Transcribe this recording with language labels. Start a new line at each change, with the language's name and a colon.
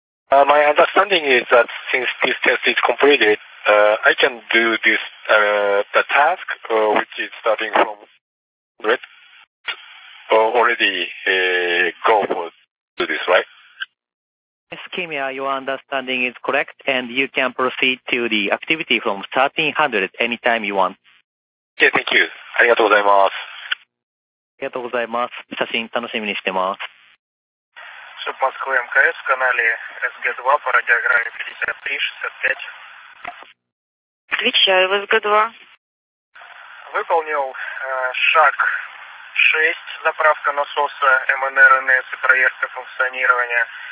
English: My understanding is that since this test is completed, I can do this the task which is starting from red already go for do this, right? Yes, Kimia, your understanding is correct, and you can proceed to the activity from 1300 anytime you want. Okay, thank you.
Japanese: ありがとうございます。ありがとうございます。写真楽しみにしてます。
Russian: Москвы МКС в канале СГ-2 по радиограмме 53-65. Отвечаю в СГ-2. Выполнил шаг 6, заправка насоса МНРНС и проверка функционирования.